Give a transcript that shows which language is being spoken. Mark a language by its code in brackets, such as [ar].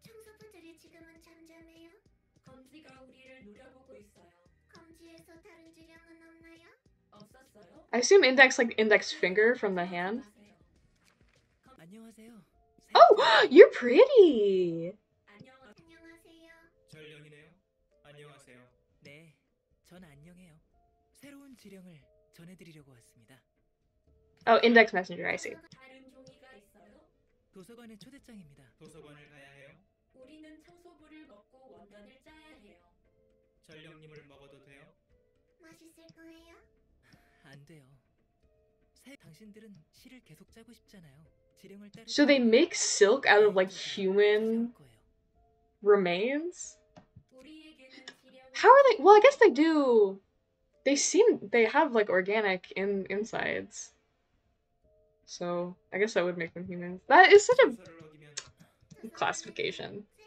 [ko] 청소부 자리 지금은 잠잠해요? 검지가 우리를 노려보고 있어요. 검지에서 다른 지령은 없나요? 없었어요. [en] I assume index like index finger from the hand. [ko] 안녕하세요. [en] Oh, you're pretty. [ko] 안녕하세요. 전령이네요. 안녕하세요. 네, 전 안녕해요. 새로운 지령을 전해드리려고 왔습니다. [en] Oh, index messenger, I see. [ko] 다른 종이가 있어요? 도서관의 초대장입니다. 도서관을 가야 해요? 우리는 청소부를 먹고 원단을 짜야 해요. 전령님을 먹어도 돼요? 맛있을 거예요? 안 돼요. 새 당신들은 실을 계속 짜고 싶잖아요. [en] So they make silk out of like human remains? How are they? Well, I guess they do. They have like organic insides. So I guess that would make them human. That is such a classification.